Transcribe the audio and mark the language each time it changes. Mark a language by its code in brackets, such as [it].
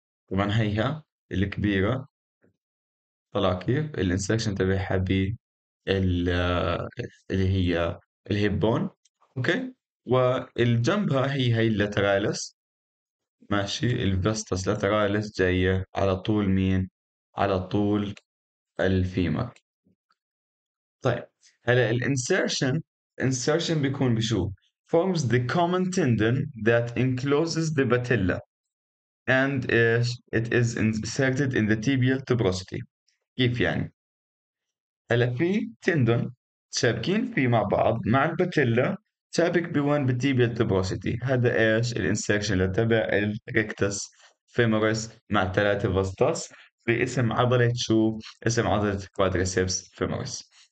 [ar] طبعا هيها الكبيرة طلع كيف الانسكشن تبعها ب اللي هي الهيب بون، اوكي، والجنبها هي اللاترالس، ماشي، الفاستس لاترالس جاية على طول مين؟ على طول الفيمر. طيب هلا الانسرشن بيكون بشو؟ [en] forms the common tendon that encloses the patella and it is inserted in the tibial tuberosity. [ar] كيف يعني؟ هلا في تندون شابكين في مع بعض مع الباتيلا، شابك بوين؟ بالتيبيال تبروسيتي. هذا ايش؟ الانسكشن اللي تبع الريكتس فيموريس مع ثلاثة فاستاس باسم عضلة شو؟ اسم عضلة كوادريسبس فيموريس.